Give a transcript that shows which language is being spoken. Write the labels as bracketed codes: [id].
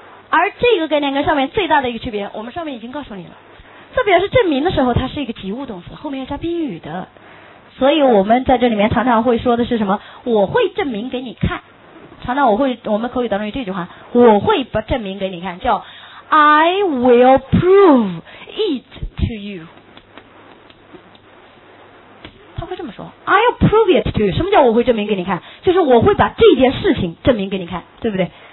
[zh] 而这个概念跟上面最大的一个区别我们上面已经告诉你了，在表示证明的时候它是一个及物动词，后面要加宾语的，所以我们在这里面常常会说的是什么？我会证明给你看。常常我们口语当中有这句话，我会把证明给你看，叫 [en] I will prove it to you。 [zh] 他会这么说 ， [en] I'll prove it to you。 [zh] 什么叫我会证明给你看？就是我会把这件事情证明给你看，对不对？